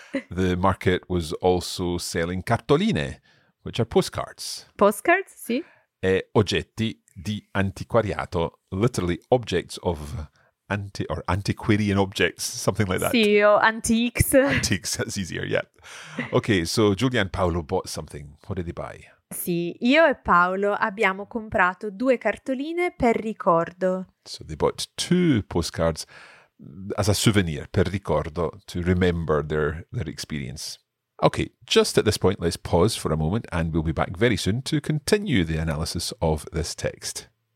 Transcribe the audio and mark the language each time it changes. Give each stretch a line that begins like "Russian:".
English: The market was also selling cartoline, which are postcards. Postcards, sì.
Italian: E oggetti di antiquariato,
English: literally objects of antiquarian objects, something like that.
Italian: Sì, o antiques.
English: Antiques, that's easier, yeah. Okay, so Giulia and Paolo bought something. What did they buy?
Italian: Sì, io e Paolo abbiamo comprato due cartoline per ricordo.
English: So they bought two postcards as a souvenir,
Italian: per ricordo,
English: to remember their experience. Okay, just at this point, let's pause for a moment and we'll be back very soon to continue the analysis of this text.